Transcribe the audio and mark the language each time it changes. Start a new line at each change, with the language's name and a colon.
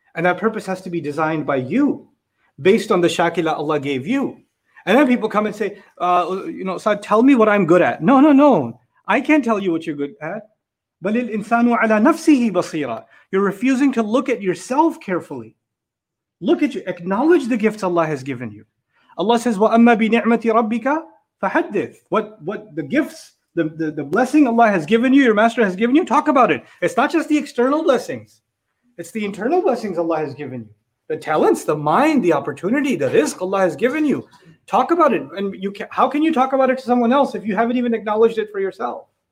English: And that purpose has to be designed by you based on the shakila Allah gave you. And then people come and say, Saad, tell me what I'm good at. No. I can't tell you what you're good at.
Arabic: بَلِ الْإِنسَانُ عَلَىٰ نَفْسِهِ بَصِيرًا.
English: You're refusing to look at yourself carefully. Look at you. Acknowledge the gifts Allah has given you. Allah says,
Arabic: وَأَمَّا بِنِعْمَةِ رَبِّكَ فَحَدِّثْ.
English: What the gifts, the blessing Allah has given you, your master has given you, talk about it. It's not just the external blessings. It's the internal blessings Allah has given you. The talents, the mind, the opportunity, the rizq Allah has given you. Talk about it. And how can you talk about it to someone else if you haven't even acknowledged it for yourself?